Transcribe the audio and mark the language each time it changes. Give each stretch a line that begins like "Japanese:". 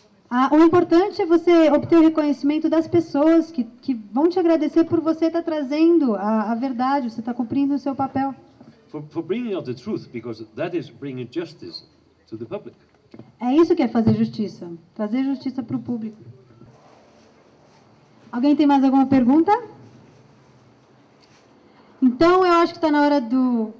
Portuguese: Ah, o importante é você obter o reconhecimento das pessoas que vão te agradecer por você estar trazendo a verdade, você estar cumprindo o seu papel.
English: For bringing out the truth, because that is bringing justice to the public.
Portuguese: É isso que é fazer justiça, trazer justiça para o público. Alguém tem mais alguma pergunta? Então, eu acho que está na hora do...